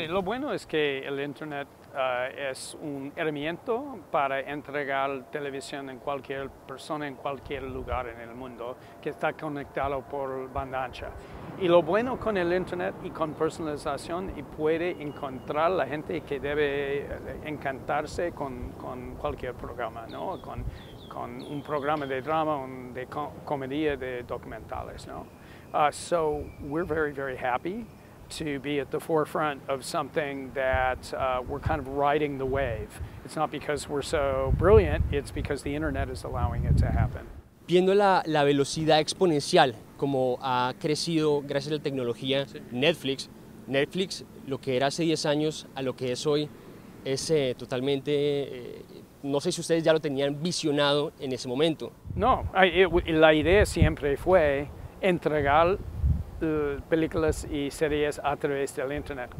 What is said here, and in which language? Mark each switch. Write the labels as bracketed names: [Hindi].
[Spanish] Sí, lo bueno es que el Internet es un herramienta para entregar televisión a cualquier persona en cualquier lugar en el mundo que está conectado por banda ancha. Y lo bueno con el Internet y con personalización y puede encontrar la gente que debe encantarse con cualquier programa, ¿no? Con un programa de drama, de comedia, de documentales, ¿no? [English] So we're very, very happy to be at the forefront of something that we're kind of riding the wave. It's not because we're so brilliant, it's because the internet is allowing it to happen. [Spanish] Viendo la velocidad exponencial como ha crecido gracias a la tecnología, sí. Netflix, lo que era hace 10 años a lo que es hoy, es totalmente... no sé si ustedes ya lo tenían visionado en ese momento. No, la idea siempre fue entregar películas y series a través del internet.